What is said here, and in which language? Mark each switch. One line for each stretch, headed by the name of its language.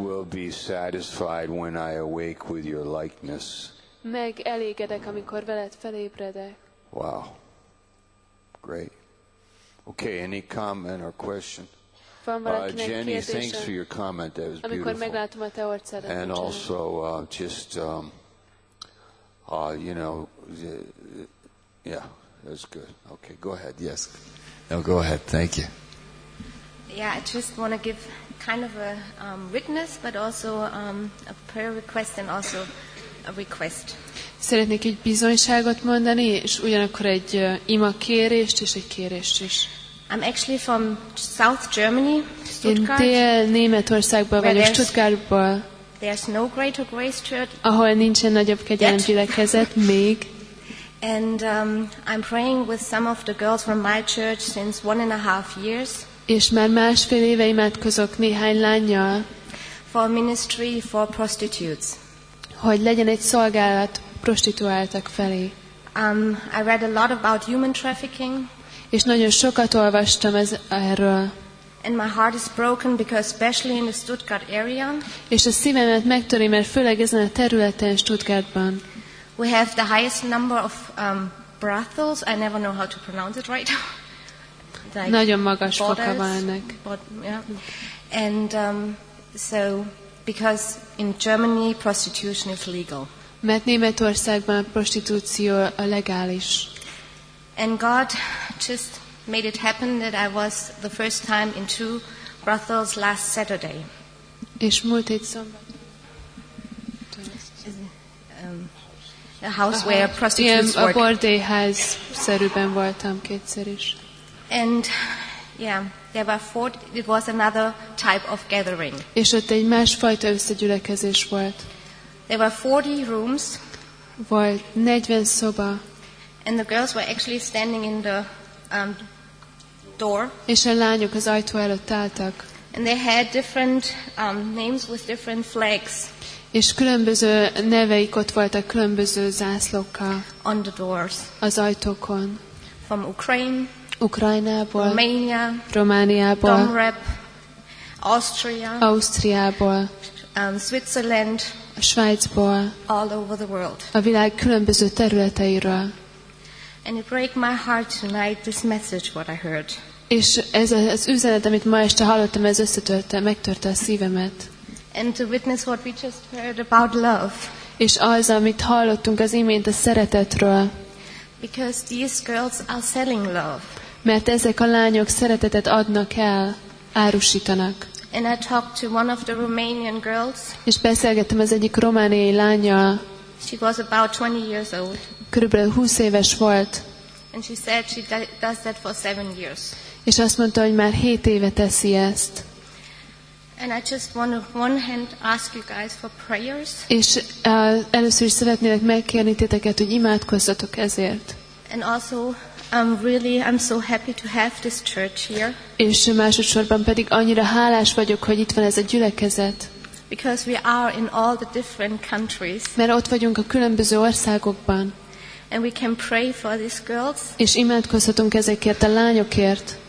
English: will be satisfied when I awake with your likeness.
Hungarian: Megelégedek, amikor veled felébredek.
English: Wow. Great. Okay, any comment or question? Jenny, thanks for your comment. That was beautiful.
Hungarian: Amikor meglátom a te orcádat.
English: And also, you know, yeah, that's good. Okay, go ahead. Yes. No, go ahead. Thank you. Yeah, I just want to give kind of a witness, but also a prayer request and also a request.
Hungarian: Szeretnék egy bizonyságot mondani, és ugyanakkor egy ima kérést és egy kérést is.
English: I'm actually from South Germany, Stuttgart.
Hungarian: Én Dél-Németországban vagyok, Stuttgartból.
English: There's no greater grace church.
Hungarian: Ahol nincsen nagyobb kegyelem gyülekezet még.
English: And I'm praying with some of the girls from my church since 1.5 years.
Hungarian: És már másfél éve imádkozok néhány lányjal.
English: For ministry for prostitutes.
Hungarian: Hogy legyen egy szolgálat prostituáltak felé.
English: I read a lot about human trafficking.
Hungarian: És nagyon sokat olvastam ez erről.
English: And my heart is broken because especially in the Stuttgart area.
Hungarian: És a szívemet megtöri, mert főleg ezen a területen, Stuttgartban.
English: We have the highest number of brothels. I never know how to pronounce it right.
Hungarian: Like nagyon magas foka van ennek.
English: Yeah. And so because in Germany prostitution is legal.
Hungarian: Mert Németországban a prostitúció a legális.
English: And God just made it happen that I was the first time in 2 brothels last Saturday.
Hungarian: És múlt hét
English: a house where prostitutes
Hungarian: work. A bordélyház szerűben voltam kétszer is.
English: And yeah, there were 40. It was another type of gathering.
Hungarian: És ott egy másfajta összegyűlökezés volt.
English: There were 40 rooms.
Hungarian: Volt 40 szoba.
English: And the girls were actually standing in the door.
Hungarian: És a lányok az ajtó előtt álltak.
English: And they had different names with different flags.
Hungarian: És különböző neveik ott voltak különböző zászlókkal.
English: On the doors.
Hungarian: Az ajtókon.
English: From Ukraine.
Hungarian: Ukrajnából, Románia, Romániából,
English: Domrep, Austria,
Hungarian: Ausztriából,
English: Switzerland,
Hungarian: Svájcból,
English: all over the world.
Hungarian: A világ különböző területeiről.
English: And it broke my heart tonight this message what I heard.
Hungarian: És ez az üzenet, amit ma este hallottam, ez összetörte, megtörte a szívemet.
English: And to witness what we just heard about love.
Hungarian: És az, amit hallottunk az imént a szeretetről.
English: Because these girls are selling love.
Hungarian: Mert ezek a lányok szeretetet adnak el, árusítanak.
English: And I talked to one of the Romanian girls.
Hungarian: És beszélgettem az egyik romániai lányjal.
English: She was about 20 years old.
Hungarian: Körülbelül 20 éves volt.
English: And she said she does that for 7 years.
Hungarian: És azt mondta, hogy már 7 éve teszi ezt.
English: And I just want to one hand ask you guys for prayers.
Hungarian: És először is szeretnélek megkérni titeket, hogy imádkozzatok ezért.
English: And also I'm so happy to have this church here.
Hungarian: És másodszorban pedig annyira hálás vagyok, hogy itt van ez a gyülekezet.
English: Because we are in all the different countries.
Hungarian: Mert ott vagyunk a különböző országokban.
English: And we can pray for these girls.
Hungarian: És imádkozhatunk ezekért a lányokért.